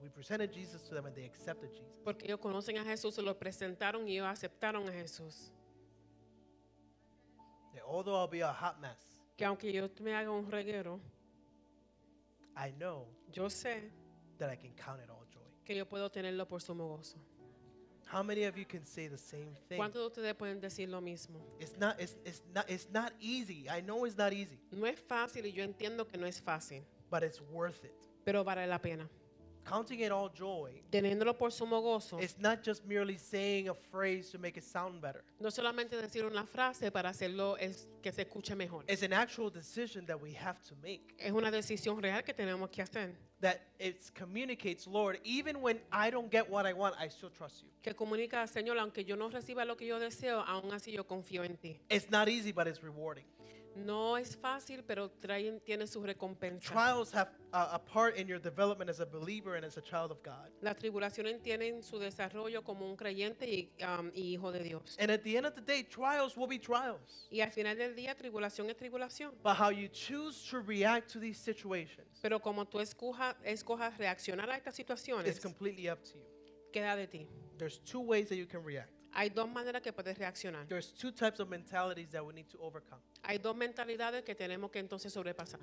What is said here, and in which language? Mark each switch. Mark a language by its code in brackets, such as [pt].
[en] We presented Jesus to them and they accepted Jesus. [es] Porque ellos conocen a Jesús, se lo presentaron y ellos aceptaron a Jesús. [en] That although I'll be a hot mess. [es] Que aunque yo me haga un reguero. [en] I know. [es] Yo sé. [en] That I can count it all. [es] Que yo puedo tenerlo por sumo gozo. [en] How many of you can say the same thing? [es] ¿Cuántos de ustedes pueden decir lo mismo? [en] It's not easy. I know it's not easy. [es] No es fácil y yo entiendo que no es fácil. [en] But it's worth it. [es] Pero vale la pena. [en] Counting it all joy, [es] teniéndolo por sumo gozo, [en] it's not just merely saying a phrase to make it sound better. [es] No solamente decir una frase para hacerlo es que se escuche mejor. [en] It's an actual decision that we have to make. [es] Es una decisión real que tenemos que hacer. [en] That it communicates, Lord, even when I don't get what I want, I still trust you. [es] Que comunica, Señor, aunque yo no reciba lo que yo deseo, aún así yo confío en ti. [en] It's not easy, but it's rewarding. [es] No es fácil, pero tiene su recompensa. [en] Trials have a part in your development as a believer and as a child of God. [es] La tribulación tiene en su desarrollo como un creyente y hijo de Dios. [en] And at the end of the day, trials will be trials. [es] Y al final del día, tribulación es tribulación. [en] But how you choose to react to these situations. [es] Pero como tú escojas reaccionar a estas situaciones. [en] Is completely up to you. [es] Queda de ti. [en] There's two ways that you can react. [es] Hay dos maneras que puedes reaccionar. [en] There's two types of mentalities that we need to overcome. [es] Hay dos mentalidades que tenemos que entonces sobrepasar.